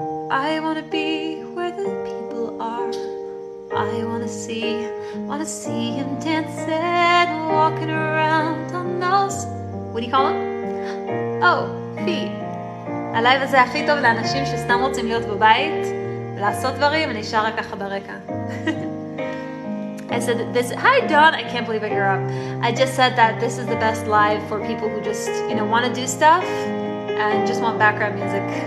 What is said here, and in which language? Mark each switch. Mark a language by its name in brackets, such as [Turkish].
[English] I want to be where the people are. I want to see him dancing, walking around on those. What do you call them? Oh, feet. [Hebrew] הלייב הזה הכי טוב לאנשים שסתם רוצים להיות בבית ולעשות דברים, אני שרה ככה ברקע. [English] I said this. Hi, Dawn. I can't believe that you're up. I just said that this is the best live for people who just, you know, want to do stuff and just want background music.